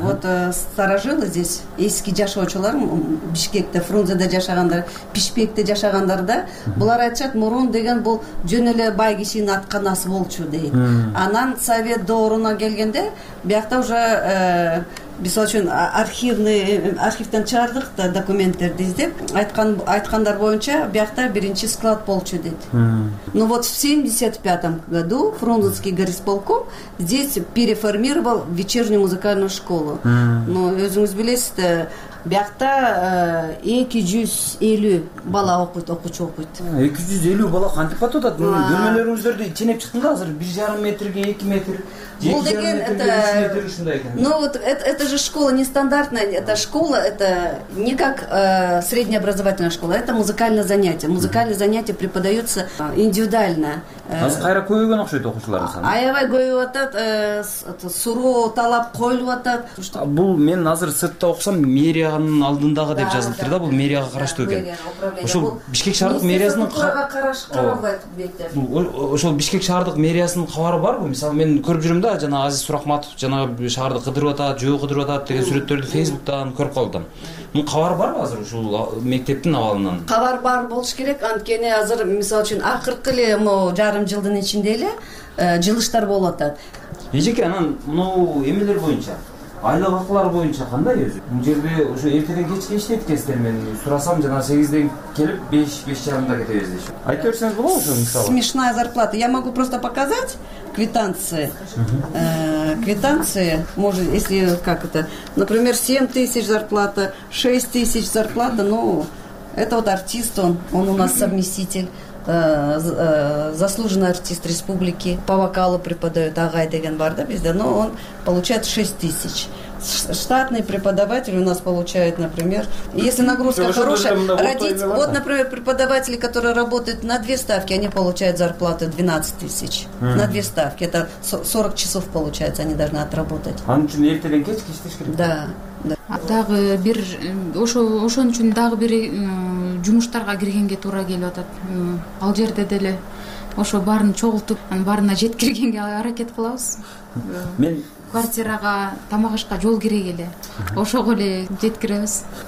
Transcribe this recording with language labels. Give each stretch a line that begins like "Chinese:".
Kyrgyz: Вот старожилы здесь, эски жашоочулар, Бишкекте, Фрунзеде жашагандар, Бишкекте жашагандар да, булар айтышат, мурун деген бул жөн эле бай кишинин атканасы болчу дейт. Анан совет доорунан келгенде, биякта уже мисалы үчүн архивден чыгардык да документтерди издеп, айткандар боюнча биякта биринчи склад болчу дейт.
Russian: Ну вот в 75-м году Фрунзенский горисполком здесь переформировал вечернюю музыкальную школу.
Kyrgyz: Ну өзүңүз билесиз да, биякта 250 бала окуйт, окуучу окуйт. 250 бала кантип атып атат? Мунун бөлмөлөрүңүздөрдү ченеп чыктың да азыр 1.5 метрге 2 метр.
Russian: Бул деген это ну вот это же школа нестандартная, это школа, это не как среднеобразовательная школа, это музыкальное занятие. Музыкальное занятие преподается индивидуально.
Kyrgyz: Азыр кайра көбөйгөн окшойт окуучулар саны. Аябай көбөйүп атат, суроо талап коюлуп атат. Бул мен азыр сыртта окусам мэриянын алдындагы деп жазылыптыр да, бул мэрияга караштуу экен. Ошол Бишкек шаардык мэриясынын ошол Бишкек шаардык мэриясынын кабары барбы? Мисалы мен көрүп жүрөм да, жана Азиз Сурахматов жана шаарды кыдырып атат, жөө кыдырып атат деген сүрөттөрдү Facebookтан көрүп калдым. Мунун кабары барбы азыр ушул мектептин абалынан? Кабар бар болуш керек, анткени азыр мисалы үчүн акыркы эле могу жарым жылдын ичинде эле жылыштар болуп атат. Эжеке, анан могу эмелер боюнча, айлык акылар боюнча кандай өзү? Бул жерде ошо эртеден кечке иштейт экенсиздер, мен сурасам жана 8:00 келип 5:30 кетебиз деш. Айтып берсеңиз болобу ошо мисалы?
Russian: Смешная зарплата. Я могу просто показать квитанции. Квитанции, может, если как это, например, 7000 зарплата, 6000 зарплата, ну, это вот артист, он у нас совместитель, заслуженный артист республики, по вокалу преподает, агай деген бар да бизде, но он получает 6000. Штатный преподаватель у нас получает, например, если нагрузка хорошая, родители, вот, например, преподаватели, которые работают на две ставки, они получают зарплату 12000 на две ставки. Это 40 часов получается, они должны отработать.
Kyrgyz: Ан үчүн эртеден кеч иштеш керек. Да. Дагы бир ошон үчүн дагы бир жумуштарга киргенге туура келип атат. Ал жерде деле ошо баарын чогултуп, анын баарына жеткиргенге аракет кылабыз. Мен квартирага тамак ашка жол керек эле. Ошого эле жеткиребиз.